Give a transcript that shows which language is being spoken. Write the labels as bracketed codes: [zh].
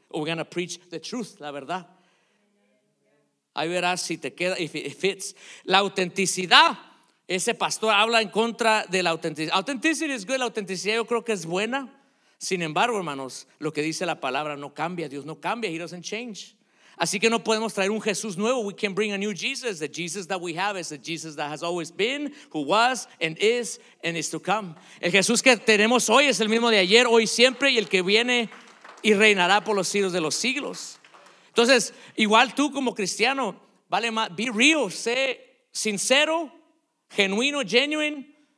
[en] Or we're going to preach the truth, [es] la verdad. Ahí verás si te queda, [en] if it fits. [es] La autenticidad, ese pastor habla en contra de la autenticidad. [en] Authenticity is good, [es] la autenticidad yo creo que es buena. Sin embargo, hermanos, lo que dice la palabra no cambia, Dios no cambia, [en] he doesn't change. [es] Así que no podemos traer un Jesús nuevo. [en] We can't bring a new Jesus. The Jesus that we have is the Jesus that has always been, who was and is and is to come. [es] El Jesús que tenemos hoy es el mismo de ayer, hoy, siempre, y el que viene y reinará por los siglos de los siglos. Entonces, igual tú como cristiano, vale más, [en] be real, [es] sé sincero, genuino, [en] genuine.